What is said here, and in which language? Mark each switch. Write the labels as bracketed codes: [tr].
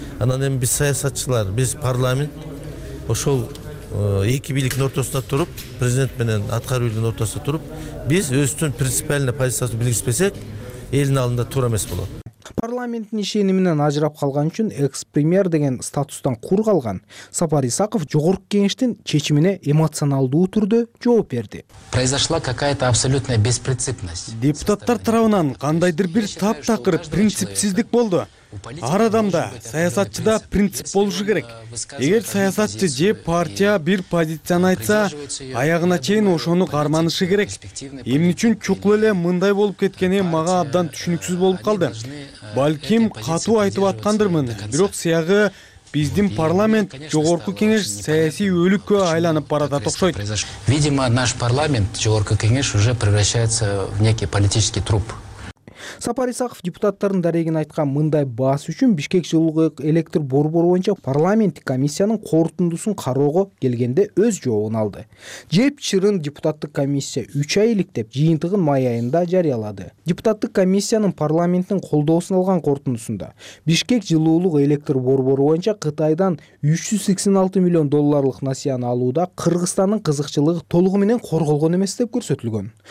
[ky] Анан эми биз саясатчылар, биз парламент ошол эки бийликтин ортосунда туруп, президент менен аткаруу бийликтин ортосунда туруп, биз өзүбүздүн принципиальный позициясын билгизбесек элдин алдында туура эмес болот. Парламенттин ишенимин ажырап калган үчүн экс-премьер деген статустан кур калган Сапар Исаков жогорку кеңештин чечимине эмоционалдуу түрдө жооп берди. [ru] Произошла какая-то абсолютная беспринципность. [ky] Депутаттар тарабынан кандайдыр бир таптакыр принципсиздик болду. Ар адамда, саясатчыда принцип болушу керек. Эгер саясатчы же партия бир позицияны айтса, аягына чейин ошону карманышы керек. Эмне үчүн чукул эле мындай болуп кеткени мага абдан түшүнүксүз болуп калды. Балким катуу айтып аткандырмын, бирок сыягы биздин парламент жогорку кеңеш саясий өлүккө айланып баратат окшойт. [ru] Видимо, наш парламент, жогорку кеңеш уже превращается в некий политический труп. [ky] Сапар Исаков депутаттардын дарегин айткан мындай баасы үчүн Бишкек жылуу электр борбору боюнча парламенттик комиссиянын корутундусун кароого келгенде өз жообун алды. Жеп чырын депутаттык комиссия 3 ай иликтеп жыйынтыгын май айында жарыялады. Депутаттык комиссиянын парламенттин колдоосун алган корутундусунда Бишкек жылуулук электр борбору боюнча Кытайдан 386 миллион долларлык насияны алууда Кыргызстандын кызыкчылыгы толугу менен корголгон эмес деп көрсөтүлгөн.